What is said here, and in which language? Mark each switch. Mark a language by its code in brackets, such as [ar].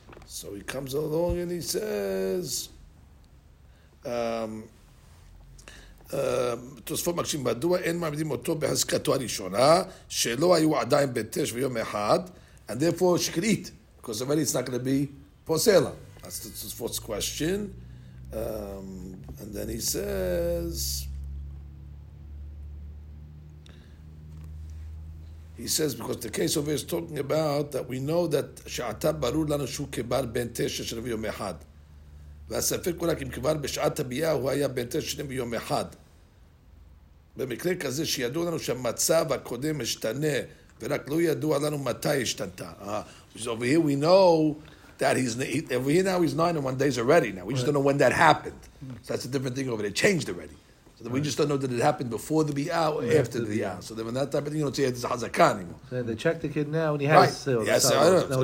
[en] So he comes along and he says, [he] תוספו מקשים מדוע אין מעמידים אותו בהזכתו הראשונה שלא היו עדיין בתש ויום אחד [en] and therefore she could eat because already it's not going to be posela. That's the fourth question. And then he says, because the case over here is talking about that we know that [he] she'ata barur lanu shu kebar ben tesha shel yom echad. והספק הוא רק אם כבר בשעת הביאה הוא היה בין תשע שנים ויום אחד. במקרה כזה שידוע לנו שהמצב הקודם השתנה ורק לא ידוע לנו מתי השתנתה. [en] So over here we know that he's, over here now he's 9 and 1 days already now. We just don't know when that happened. So that's a different thing over there. It changed already. So that we just don't know that it happened before the biyah or after the biyah. So then when that type of thing, you don't see it as a hazakah anymore. So they check the kid now and he has Yes, I don't know.